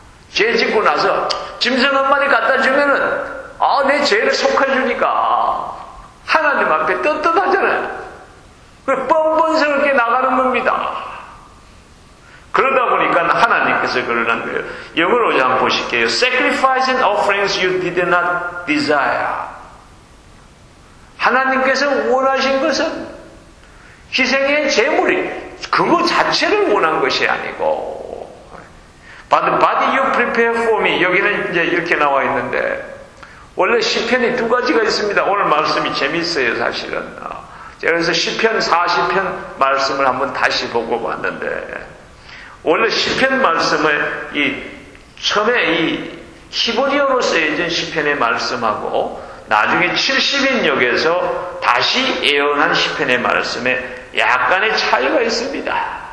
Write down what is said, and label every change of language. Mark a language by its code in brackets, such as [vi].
[ko] 죄 짓고 나서 짐승 한 마리 갖다 주면은 아, 내 죄를 속해 주니까 하나님 앞에 떳떳하잖아요. 뻔뻔스럽게 나가는 겁니다. 그러다 보니까 하나님께서 그러는 거예요. 영어로 좀 보실게요. [en] Sacrifice and offerings you did not desire. [ko] 하나님께서 원하신 것은 희생의 제물이 그거 자체를 원한 것이 아니고 [en] But the body you prepare for me. [ko] 여기는 이제 이렇게 나와 있는데 원래 시편이 두 가지가 있습니다. 오늘 말씀이 재밌어요, 사실은. 제가 그래서 시편 40편 말씀을 한번 다시 보고 봤는데 원래 시편 말씀을 이 처음에 이 히브리어로 쓰여진 시편의 말씀하고 나중에 70인역에서 다시 예언한 시편의 말씀에 약간의 차이가 있습니다.